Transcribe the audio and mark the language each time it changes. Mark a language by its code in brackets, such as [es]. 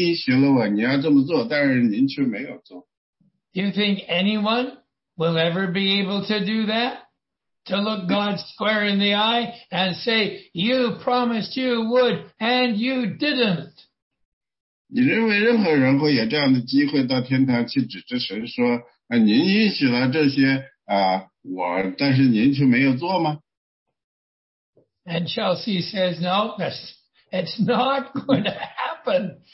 [zh] 所以你到了天堂以后呢，你就把这节经文指给主看。你说主啊，你答应了我，你应许了我，你要这么做，但是您却没有做。 [en] Do you think anyone will ever be able to do that? To look God square in the eye and say, you promised you would, and you didn't. [zh] 你认为任何人会有这样的机会到天堂去指着神说，您允许了这些，但是您却没有做吗？ [en] And Chelsea says, no, it's not going to happen.